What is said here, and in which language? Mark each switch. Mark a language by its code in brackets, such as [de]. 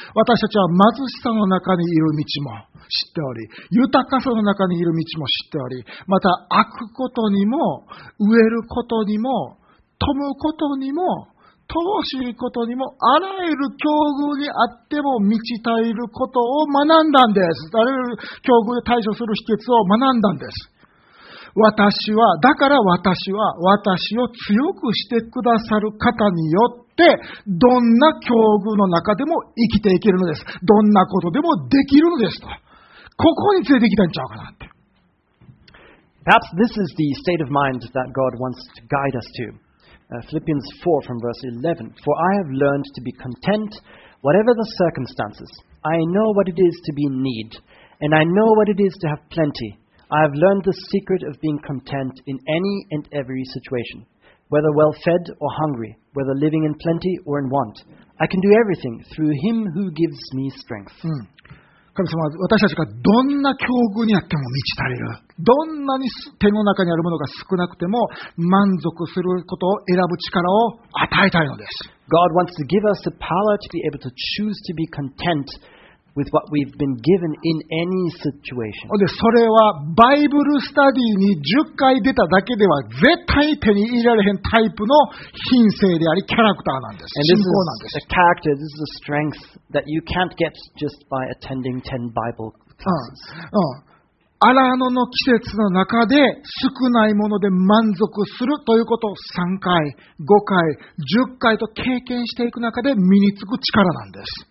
[ja] 私たちは貧しさの中にいる道も知っており、豊かさの中にいる道も知っており、また悪ことにも飢えることにも富むことにも乏しいことにもあらゆる境遇にあっても満ち足りることを学んだんです。あらゆる境遇で対処する秘訣を学んだんです。私は、だから私は、私を強くしてくださる方によって、どんな境遇の中でも生きていけるのです。どんなことでもできるのですと。ここに連れてきたんちゃうかなって。 [en] Perhaps this is the state of mind that God wants to guide us to. Philippians 4 from verse 11. For I have learned to be content, whatever the circumstances. I know what it is to be in need, and I know what it is to have plenty. I have learned the secret of being content in any and every situation, whether well fed or hungry, whether living in plenty or in want. I can do everything through Him who gives me strength.、 [ja] うん、神様、私たちがどんな境遇にあっても満ち足りる。どんなに手の中にあるものが少なくても満足することを選ぶ力を与えたいのです。 [en] God wants to give us the power to be able to choose to be content. With what we've been given in any situation. [ja] で、それはバイブルスタディに10回出ただけでは絶対に手に入れられへんタイプの品性であり、キャラクターなんです。信仰なんです。 [en] A character, this is a strength that you can't get just by attending 10 Bible classes. [ja] アラノの季節の中で少ないもので満足するということを3回、5回、10回と経験していく中で身につく力なんです。